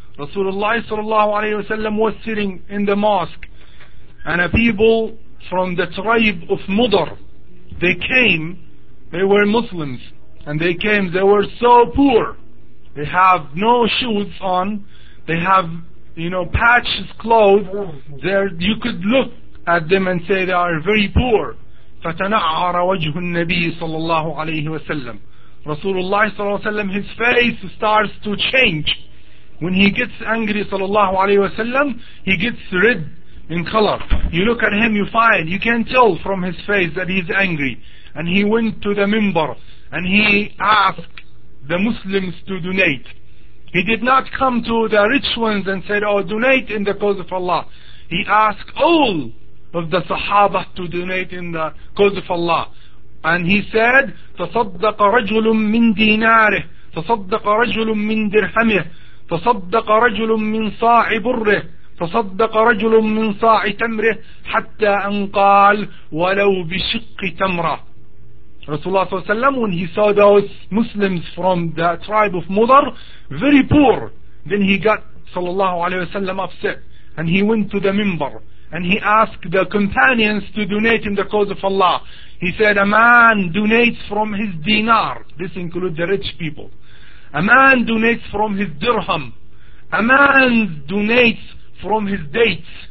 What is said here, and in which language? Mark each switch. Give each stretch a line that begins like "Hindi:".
English: Rasulullah sallallahu alayhi wa sallam was sitting in the mosque, and a people from the tribe of Mudar, they came, they were Muslims, and they came, they were so poor. They have no shoes on, they have, you know, patched clothes. There, you could look at them and say they are very poor.
Arabic: فَتَنَعَّرَ وَجْهُ النَّبِيِّ صَلَّى اللَّهُ عَلَيْهِ وَسَلَّمُ Rasulullah صلى الله عليه وسلم,
English: his face starts to change. When he gets angry,
Arabic: صلى الله عليه وسلم,
English: he gets red in color. You look at him, you find, you can tell from his face that he's angry. And he went to the minbar and he asked the Muslims to donate. He did not come to the rich ones and said, oh, donate in the cause of Allah. He asked all of the Sahaba to donate in the cause of Allah.
Arabic: And he said, تَصَدَّقَ رَجُلٌ مِّن دِينَارِهِ تَصَدَّقَ رَجُلٌ مِّن دِرْحَمِهِ تَصَدَّقَ رَجُلٌ مِّن صَاعِ بُرِّهِ تَصَدَّقَ رَجُلٌ مِّن صَاعِ تَمْرِهِ حَتَّى أَنْ قَالَ وَلَوْ بِشِقِّ تَمْرَهِ Rasulullah صلى الله عليه وسلم,
English: when he saw those Muslims from the tribe of Mudar, very poor, then he got
Arabic: صلى الله عليه وسلم
English: upset. And he went to the minbar and he asked the companions to donate in the cause of Allah. He said, a man donates from his dinar. This includes the rich people. A man donates from his dirham. A man donates from his dates.